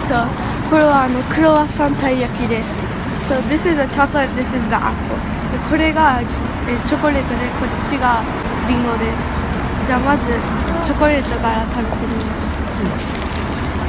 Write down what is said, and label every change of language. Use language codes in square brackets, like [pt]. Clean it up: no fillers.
[ja] So これはクロワッサンたい焼きです。 [en] So this is a chocolate, this is the apple. [ja] これがチョコレートで、こっちがリンゴです。じゃあまずチョコレートから食べてみます。